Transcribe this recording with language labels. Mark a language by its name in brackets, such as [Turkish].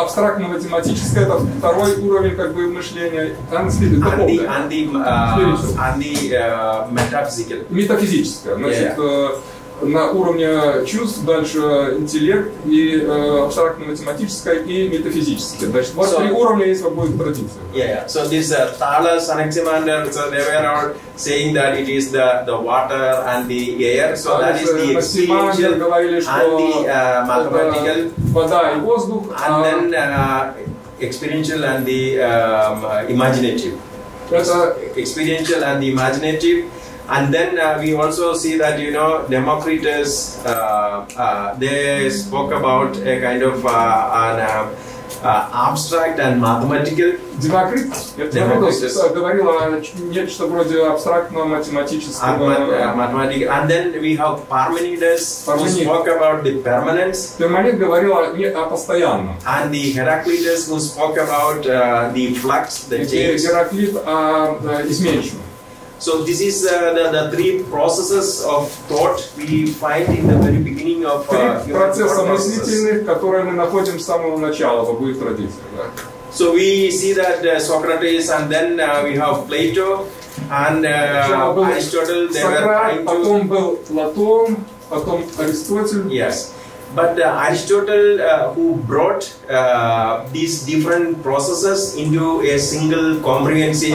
[Russian] Абстрактное математическое — это второй уровень как бы мышления. [English] Metaphysical. [Russian] Метафизическое. Значит, на уровне чувств, дальше интеллект и абстрактно-математическое и метафизическое. Значит, вот три уровня есть в обоих традициях. [English] Yeah. So this Thales and Anaximander, so they were all saying that it is the water and the air. So that is the experiential [Russian] говорили, [English] and the mathematical. [Russian] Вода и воздух. [English] And then experiential and the imaginative. Experiential and the imaginative. And then we also see that, you know, Democritus, they spoke about a kind of abstract and mathematical. [Russian] Democritus говорил о нечто вроде абстрактного математического. [English] Mathematical. And then we have Parmenides. Who spoke about the permanence. [Russian] Парменид говорил о постоянном. [English] And the Heraclitus who spoke about the flux, the change. [Russian] Гераклит о изменчивом. [English] So this is the three processes of thought we find in the very beginning of [Russian] процессов мыслительных, которые мы находим с самого начала в обоих традициях. [English] So we see that Socrates, and then we have Plato and Aristotle. [Russian] Потом был Платон, потом Аристотель. [English] Yes. But Aristotle, who brought these different processes into a single comprehensive